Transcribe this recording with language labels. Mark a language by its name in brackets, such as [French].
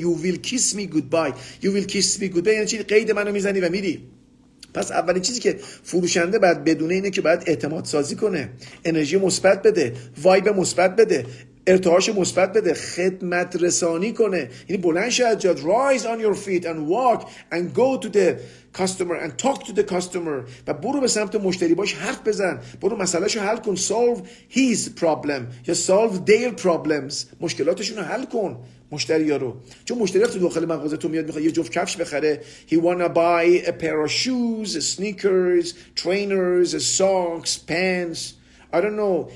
[English] You will kiss me goodbye. You will kiss me goodbye. [Persian] یعنی چی؟ قید منو میزنی و میری. پس اولین چیزی که فروشنده باید بدونه اینه که باید اعتماد سازی کنه، انرژی مثبت بده، وایب مثبت بده، ارتعاش مثبت بده، خدمت رسانی کنه. یعنی بلند شه از جات. [English] Rise on your feet and walk and go to the customer and talk to the customer. [Persian] و برو به سمت مشتری، باش حرف بزن، برو مسئلهشو حل کن. [English] Solve his problem یا solve their problems. [Persian] مشکلاتشون رو حل کن. مشتری ها رو، چون مشتری ها تو داخل مغازه تو میاد میخواد یه جفت کفش بخره. [English] He wanna buy a pair of shoes, sneakers, trainers, socks, pants. I don't know.